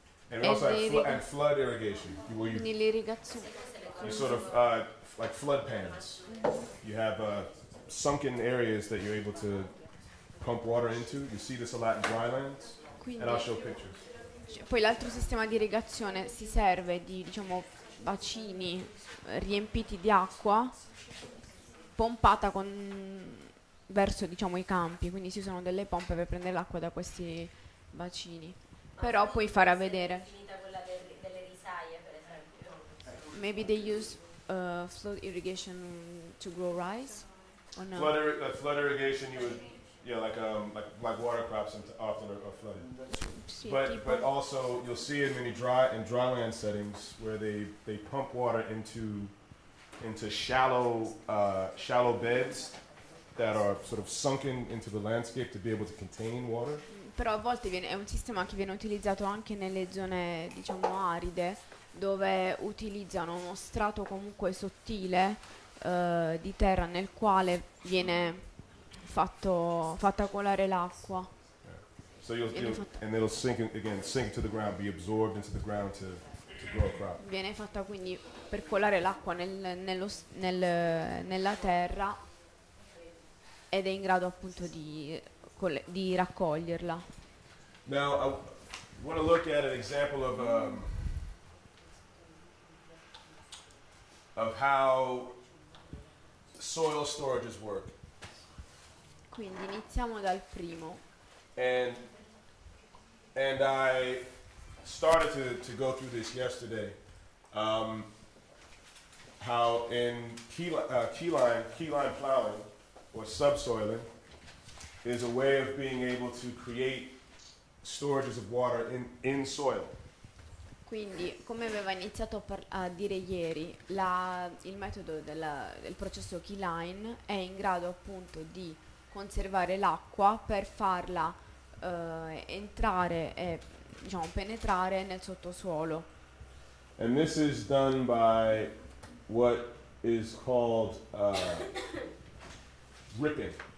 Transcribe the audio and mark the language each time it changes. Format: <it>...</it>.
<en>And we also have flood irrigation, where you sort of like flood pans. You have sunken areas that you're able to pump water into. You see this a lot in dry lands.</en> <it>Quindi,</it> <en>and I'll show pictures.</en> <it>Poi l'altro sistema di irrigazione si serve di, diciamo, bacini riempiti di acqua pompata con verso, diciamo, i campi. Quindi si usano delle pompe per prendere l'acqua da questi bacini. Però puoi fare a vedere. Delle risaie, per esempio.</it> <en>Maybe they use flood irrigation to grow rice, or no? Flood irrigation, you would, yeah, like water crops often are flooded. But also you'll see in many dry land settings where they pump water into shallow beds that are sort of sunken into the landscape to be able to contain water.</en> <it>Però a volte è un sistema che viene utilizzato anche nelle zone, diciamo, aride, dove utilizzano uno strato comunque sottile di terra nel quale viene fatta colare l'acqua.</it> <en>Yeah. So and it'll sink to the ground, be absorbed into the ground to grow a crop.</en> <it>Viene fatta quindi per colare l'acqua nella terra ed è in grado appunto di raccoglierla.</it> <en>Now I want to look at an example of how soil storages work.</en> <it>Quindi iniziamo dal primo.</it> <en>And I started to go through this yesterday. How in key line plowing or subsoiling is a way of being able to create storages of water in soil.</en> <it>Quindi, come aveva iniziato a dire ieri, il metodo del processo key line è in grado appunto di conservare l'acqua per farla entrare e, diciamo, penetrare nel sottosuolo.</it> <en>And this is done by what is called ripping.</en>